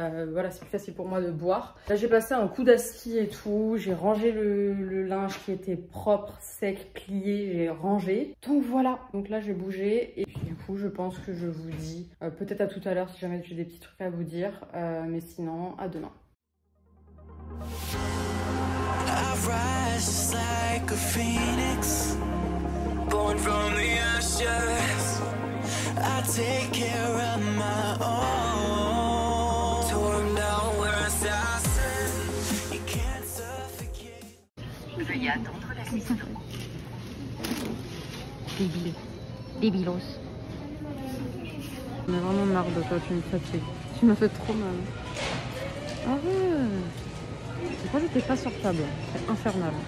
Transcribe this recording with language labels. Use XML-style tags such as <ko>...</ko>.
<fr>Voilà, c'est plus facile pour moi de boire. Là j'ai passé un coup d'asti et tout, j'ai rangé le linge qui était propre, sec, plié, j'ai rangé. Donc voilà, donc là j'ai bougé et puis du coup je pense que je vous dis peut-être à tout à l'heure si jamais j'ai des petits trucs à vous dire, mais sinon à demain.</fr> <en>Just like a phoenix, born from the ashes, I take care of my own, torn down where I sat, you can't suffocate.</en> <fr>Veuillez attendre la saison. Débile. Débilos. J'en ai vraiment marre de toi, tu me fatigues. Tu m'as fait trop mal. Ah ouais. C'est pas que t'es pas sortable, c'est infernal.</fr>